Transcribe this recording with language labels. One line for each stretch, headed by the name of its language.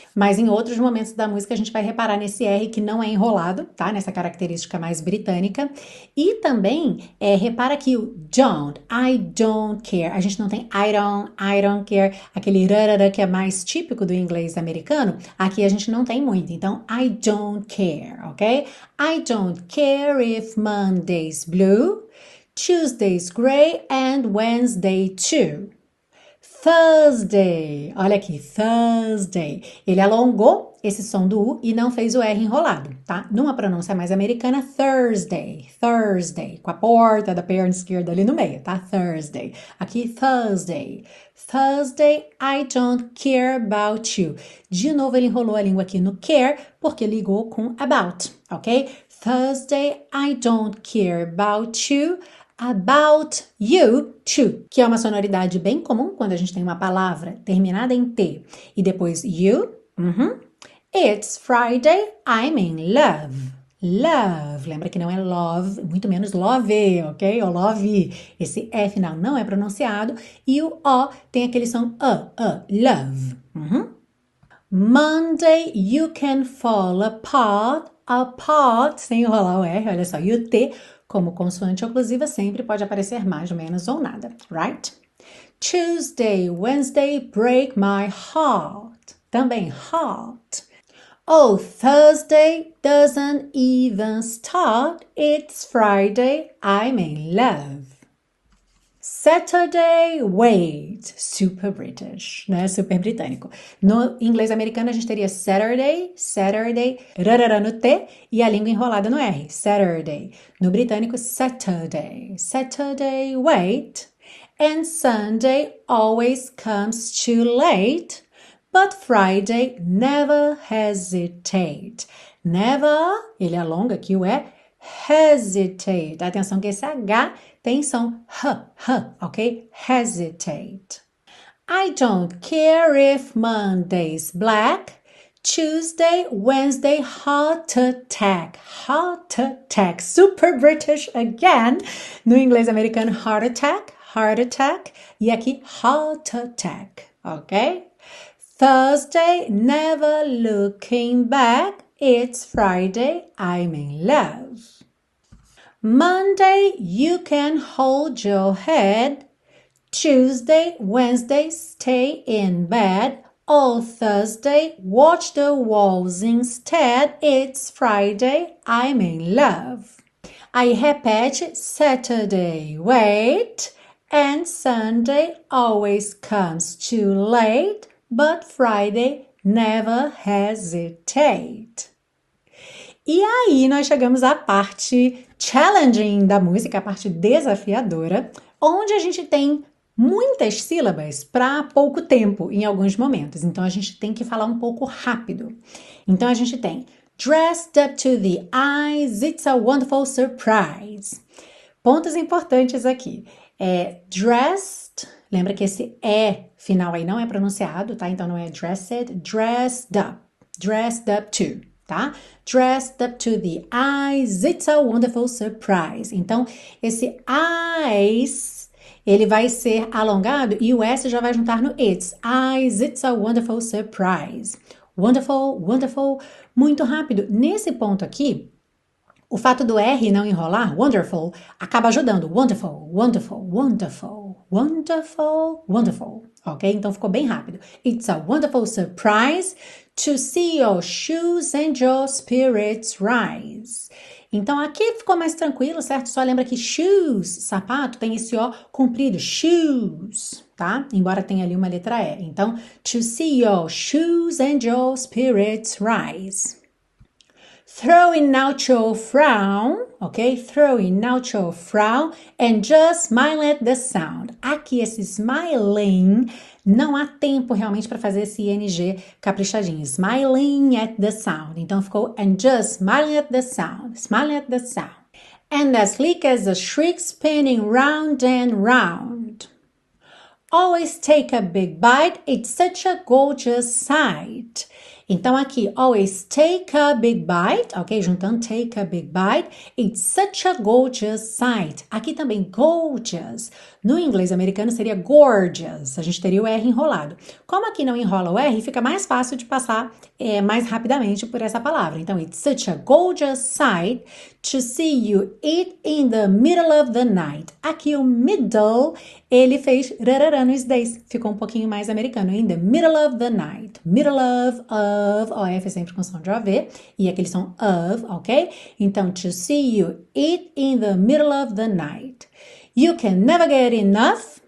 Portuguese: Mas em outros momentos da música, a gente vai reparar nesse R que não é enrolado, tá? Nessa característica mais britânica. E também, repara que o don't,
English: I don't care.
Portuguese: A gente não tem I don't care, aquele rarara que é mais típico do inglês americano. Aqui a gente não tem muito.
English: Então, I don't care, ok? I don't care if Monday's blue. Tuesday's gray and Wednesday too.
Portuguese: Thursday. Olha aqui, Thursday. Ele alongou esse som do U e não fez o R enrolado, tá? Numa pronúncia mais americana, Thursday. Thursday. Com a porta da perna esquerda ali no meio, tá?
English: Thursday. Aqui, Thursday. Thursday, I don't care about you.
Portuguese: De novo, ele enrolou a língua aqui no care porque ligou com about, ok?
English: Thursday, I don't care about you. About you too,
Portuguese: que é uma sonoridade bem comum quando a gente tem uma palavra terminada em T e depois you.
English: It's Friday, I'm in love. Love,
Portuguese: lembra que não é
English: love,
Portuguese: muito menos
English: love, ok? Ou love.
Portuguese: Esse E final não é pronunciado e o O tem aquele som love.
English: Monday, you can fall apart.
Portuguese: Apart, sem enrolar o R, olha só, e o T. Como consoante oclusiva, sempre pode aparecer mais, menos ou nada, right?
English: Tuesday, Wednesday, break my heart.
Portuguese: Também
English: heart. Oh, Thursday doesn't even start. It's Friday, I'm in love. Saturday, wait. Super British,
Portuguese: né? Super britânico. No inglês americano, a gente teria Saturday, Saturday, rarara no T e a língua enrolada no R.
English: Saturday.
Portuguese: No britânico,
English: Saturday. Saturday, wait. And Sunday always comes too late. But Friday never hesitate.
Portuguese: Never, ele alonga aqui o E, hesitate. Atenção que esse H. Tem som h, ok?
English: Hesitate. I don't care if Monday's black, Tuesday, Wednesday, heart attack. Heart attack. Super British again.
Portuguese: No inglês americano,
English: heart attack, heart attack.
Portuguese: E aqui,
English: heart attack, ok? Thursday, never looking back. It's Friday, I'm in love. Monday, you can hold your head. Tuesday, Wednesday, stay in bed. All Thursday, watch the walls instead. It's Friday, I'm in love.
Portuguese: Aí repete:
English: Saturday, wait. And Sunday always comes too late. But Friday never hesitate.
Portuguese: E aí nós chegamos à parte challenging da música, a parte desafiadora, onde a gente tem muitas sílabas para pouco tempo em alguns momentos. Então a gente tem que falar um pouco rápido. Então a gente tem
English: dressed up to the eyes, it's a wonderful surprise.
Portuguese: Pontos importantes aqui. É dressed, lembra que esse E final aí não é pronunciado, tá? Então não é dressed,
English: dressed up to.
Portuguese: Tá?
English: Dressed up to the eyes, it's a wonderful surprise.
Portuguese: Então, esse eyes, ele vai ser alongado e o S já vai juntar no it's.
English: Eyes, it's a wonderful surprise. Wonderful, wonderful.
Portuguese: Muito rápido. Nesse ponto aqui, o fato do R não enrolar, wonderful, acaba ajudando.
English: Wonderful, wonderful, wonderful, wonderful, wonderful. Ok?
Portuguese: Então ficou bem rápido.
English: It's a wonderful surprise to see your shoes and your spirits rise.
Portuguese: Então aqui ficou mais tranquilo, certo? Só lembra que shoes, sapato, tem esse O comprido, shoes, tá? Embora tenha ali uma letra E.
English: Então, to see your shoes and your spirits rise. Throwing out your frown, ok? Throwing out your frown and just smile at the sound.
Portuguese: Aqui, esse smiling, não há tempo realmente para fazer esse ing caprichadinho.
English: Smiling at the sound.
Portuguese: Então ficou
English: and just smiling at the sound. Smiling at the sound. and as sleek as a shriek spinning round and round. Always take a big bite, it's such a gorgeous sight.
Portuguese: Então aqui,
English: always take a big bite, ok?
Portuguese: Juntando
English: take a big bite, it's such a gorgeous sight.
Portuguese: Aqui também, gorgeous. No inglês americano seria gorgeous, a gente teria o R enrolado. Como aqui não enrola o R, fica mais fácil de passar mais rapidamente por essa palavra.
English: Então, it's such a gorgeous sight to see you eat in the middle of the night.
Portuguese: Aqui o middle, ele fez rarará no days. Ficou um pouquinho mais americano.
English: In the middle of the night. Middle of,
Portuguese: OF é sempre com som de OV. E aquele som
English: of, ok? Então, to see you eat in the middle of the night. You can never get enough.